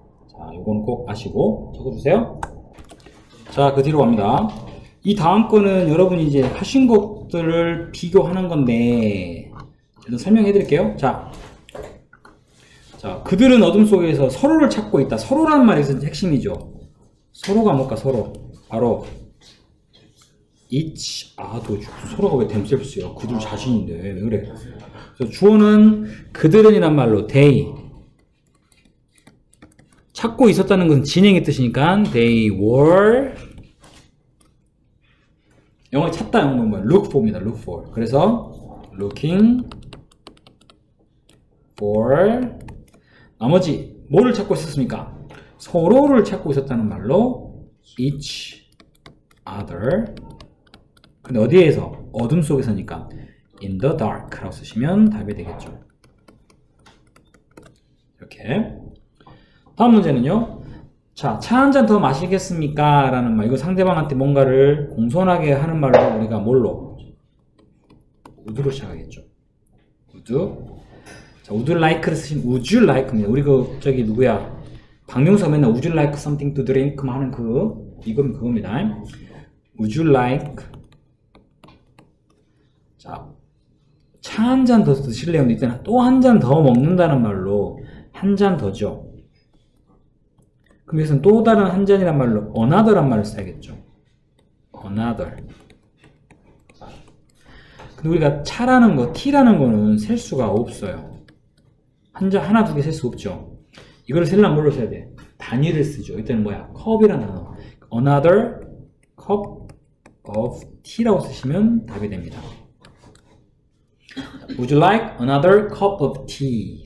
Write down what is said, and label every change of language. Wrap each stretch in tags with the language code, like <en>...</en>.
<ko>자, 이건 꼭 아시고 적어주세요. 자, 그 뒤로 갑니다. 이 다음 거는 여러분이 이제 하신 것들을 비교하는 건데 일단 설명해 드릴게요. 자, 그들은 어둠 속에서 서로를 찾고 있다. 서로라는 말이 핵심이죠. 서로가 뭘까? 서로. 바로</ko> <en>each other.</en> <ko>서로가 왜 themselves요? 그들 자신인데 왜 그래? 그래서 주어는 그들은이란 말로 they. 찾고 있었다는 것은 진행의 뜻이니까 they were. 영어 찾다 영어는 뭐야?</ko> <en>look for입니다. look for.</en> <ko>그래서</ko> <en>looking for.</en> <ko>나머지 뭐를 찾고 있었습니까? 서로를 찾고 있었다는 말로 each other. 근데 어디에서? 어둠 속에서니까</ko> <en>in the dark</en> <ko>라고 쓰시면 답이 되겠죠. 이렇게. 다음 문제는요, 자, 차 한 잔 더 마시겠습니까 라는 말, 이거 상대방한테 뭔가를 공손하게 하는 말로 우리가 뭘로? 우드로 시작하겠죠. 우드.</ko> <en>자, would like를 쓰시면 would you like입니다.</en> <ko>우리 그 저기 누구야, 박명수 맨날</ko> <en>would you like something to drink</en> <ko>하는 그 이건 그겁니다.</ko> <en>Would you like?</en> <ko>자, 차 한 잔 더 드실래요? 이때 또 한 잔 더 먹는다는 말로 한 잔 더죠. 그럼 여기서는 또 다른 한 잔이란 말로 another란 말을 써야겠죠.</ko> <en>Another.</en> <ko>근데 우리가 차라는 거, 티라는 거는 셀 수가 없어요. 한 잔 하나 두 개 셀 수 없죠. 이걸 셀란 뭘로 써야 돼? 단위를 쓰죠. 이때는 뭐야? 컵이라는 단어.</ko> <en>Another cup of tea라고</en> <ko>쓰시면 답이 됩니다.</ko> <en>Would you like another cup of tea?</en>